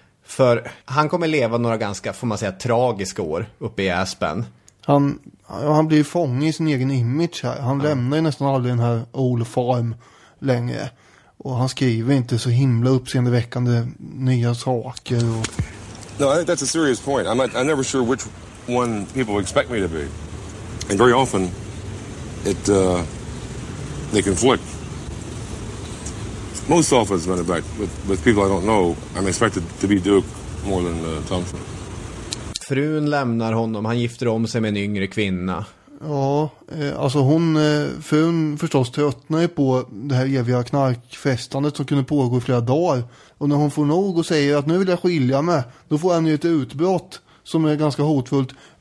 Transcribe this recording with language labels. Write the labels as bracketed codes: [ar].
[sv] För han kommer leva några ganska, får man säga, tragiska år uppe i Aspen. Han blir fånge i sin egen image här. Han lämnar ju nästan aldrig den här old farm längre. Och han skriver inte så himla uppseendeväckande nya saker. Och... [en] No, I think that's a serious point. I'm never sure which one people expect me to be. And very often, they conflict. Most often, as a matter of fact, with people I don't know, I'm expected to be Duke more than Thompson. [sv] Frun lämnar honom, han gifter om sig med en yngre kvinna. Ja, alltså hon, frun förstås tröttnar ju på det här eviga knarkfestandet som kunde pågå i flera dagar. Och när hon får nog och säger att nu vill jag skilja mig, då får han ju ett utbrott som är ganska hotfullt.